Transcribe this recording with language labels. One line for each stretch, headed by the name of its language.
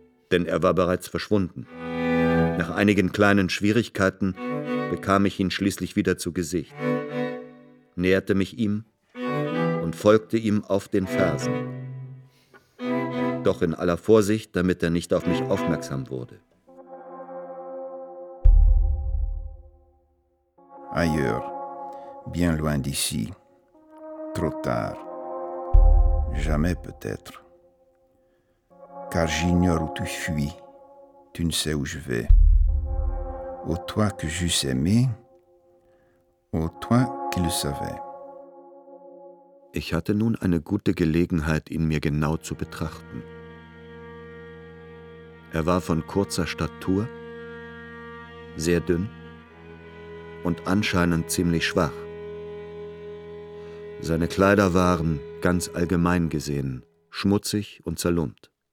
German: Denn er war bereits verschwunden. Nach einigen kleinen Schwierigkeiten bekam ich ihn schließlich wieder zu Gesicht, näherte mich ihm und folgte ihm auf den Fersen. Doch in aller Vorsicht, damit er nicht auf mich aufmerksam wurde.
French: Ailleurs, bien loin d'ici, trop tard, jamais peut-être, car j'ignore où tu fuis, tu ne sais où je vais, ô toi que j'eusse aimé, ô toi qui le savais.
German: Ich hatte nun eine gute Gelegenheit, ihn mir genau zu betrachten. Er war von kurzer Statur, sehr dünn und anscheinend ziemlich schwach. Seine Kleider waren, ganz allgemein gesehen, schmutzig und zerlumpt.